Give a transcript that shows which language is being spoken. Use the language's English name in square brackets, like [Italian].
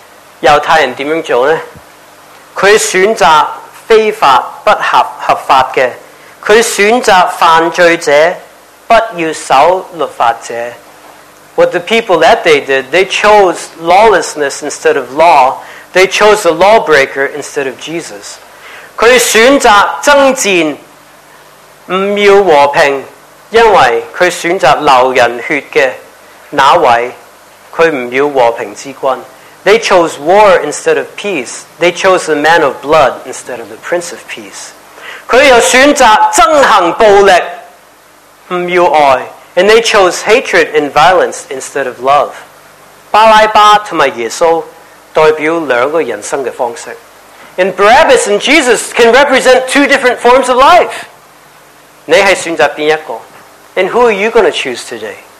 [Chinese] 好,我們聽到呢,猶太人怎樣做呢?他選擇非法不合法的，他選擇犯罪者不要守律法者。 [English] What the people that day did, they chose lawlessness instead of law, They chose the lawbreaker instead of Jesus. [Chinese] 他选择争战，不要和平，因为他选择流人血的那位，他不要和平之君。 [English] They chose war instead of peace. They chose the man of blood instead of the prince of peace. [Chinese] 他又选择憎恨暴力，不要爱。 [English] And they chose hatred and violence instead of love. [Chinese] 巴拉巴和耶稣代表两个人生的方式。 [English] And Barabbas and Jesus can represent two different forms of life. [Chinese] 你是选择哪一个? [English] And who are you going to choose today?